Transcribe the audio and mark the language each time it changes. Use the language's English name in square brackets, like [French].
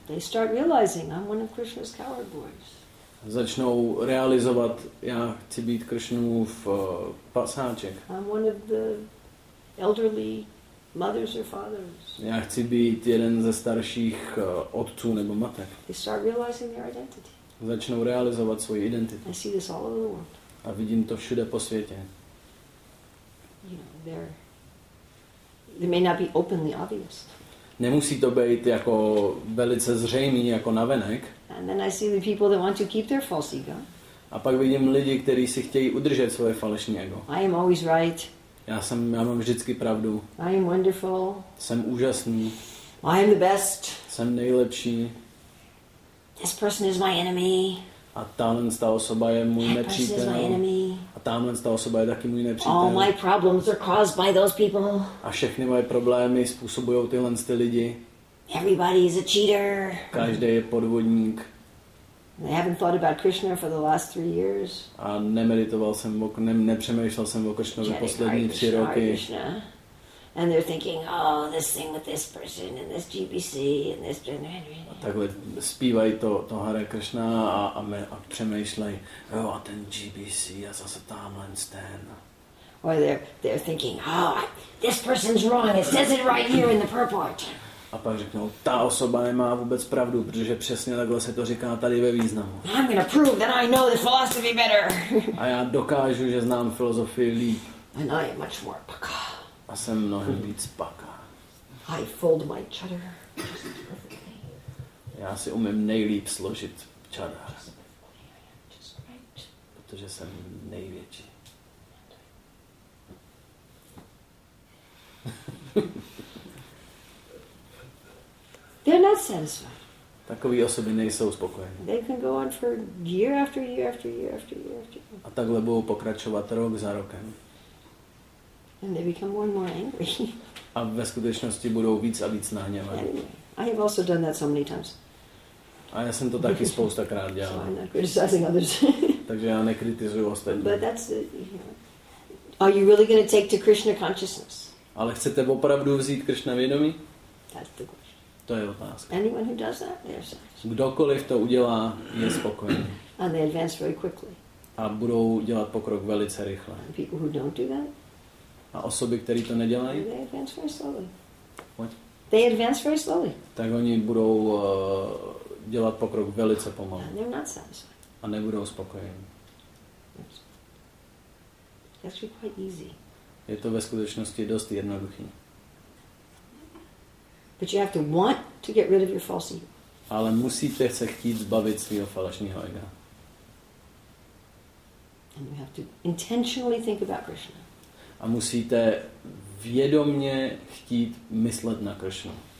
[English] They start realizing, I'm one of Krishna's coward boys. [Czech] Začnou realizovat, já chci být Krishnův pasáček. [English] I'm one of the elderly mothers or fathers. [Czech] Já chci být jeden ze starších otců nebo matek. [English] They start realizing their identity. [Czech] Začnou realizovat svoji identitu. [English] I see this all over the world. [Czech] A vidím to všude po světě. [English] You know, they may not be openly obvious. [Czech] Nemusí to být jako velice zřejmý jako navenek. [English] And then I see the people that want to keep their false ego. [Czech] A pak vidím lidi, kteří si chtějí udržet svoje falešné ego. [English] I am always right. [Czech] Já mám vždycky pravdu. [English] I am wonderful. [Czech] Jsem úžasný. [English] I am the best. [Czech] Jsem nejlepší. [English] This person is my enemy. [Czech] A tahle ta osoba je můj nepřítel. A tahle ta osoba je taky můj nepřítel. [English] All my problems are caused by those people. [Czech] A všechny moje problémy způsobují tyhle ty lidi. [English] Everybody is a cheater. [Czech] Každý je podvodník. [English] I haven't thought about Krishna for the last 3 years. [Czech] A nemeditoval jsem, nepřemýšlel jsem o Krishnovi poslední tři roky. [English] And they're thinking, oh, this thing with this person and this GBC and this [Czech] A takhle zpívají to Hare Krishna a přemýšlej, oh, a ten GBC a zase tamhle ten. [English] Or they're thinking, oh, this person's wrong. It says it right here in the purport. [Czech] A pak řeknou, ta osoba nemá vůbec pravdu, protože přesně takhle se to říká tady ve významu. [English] I'm gonna prove that I know the philosophy better. [Czech] A já dokážu, že znám filozofii líp. [English] And I am much more paka. [Czech] A jsem mnohem víc paka. [English] I fold my chadar. [Czech] Já si umím nejlíp složit čadar. [English] Just right. [Czech] Protože jsem největší. [English] They're not satisfied. [Czech] Takové osoby nejsou spokojené. [English] They can go on for year after year after year after year after year. [Czech] A takhle budou pokračovat rok za rokem. [English] And they become more and more angry. [Czech] A ve skutečnosti budou víc a víc nahněvaní. [English] Anyway, I have also done that so many times. [Czech] A já jsem to taky spoustakrát dělal. [English] So I'm not criticizing others. [Czech] Takže já nekritizuju ostatní. [English] But that's the, you know, are you really going to take to Krishna consciousness? [Czech] Ale chcete opravdu vzít Krishna vědomí? [English] That's the question. [Czech] To je otázka. [English] Anyone who does that, they're satisfied. [Czech] Kdokoliv to udělá, je spokojený. [English] And they advance very quickly. [Czech] A budou dělat pokrok velice rychle. [English] And people who don't do that, [Czech] a osoby, které to nedělají, [English] they advance very slowly. What? They advance very slowly. [Czech] Tak oni budou dělat pokrok velice pomalu. [English] And they're not satisfied. [Czech] A nebudou spokojení. [English] That's quite easy. [Czech] Je to ve skutečnosti dost jednoduché. [English] But you have to want to get rid of your false ego. [Czech] Ale musíte se chtít zbavit svého falešného ega. [English] And you have to intentionally think about Krishna. [Czech] A musíte vědomně chtít myslet na Krishnu.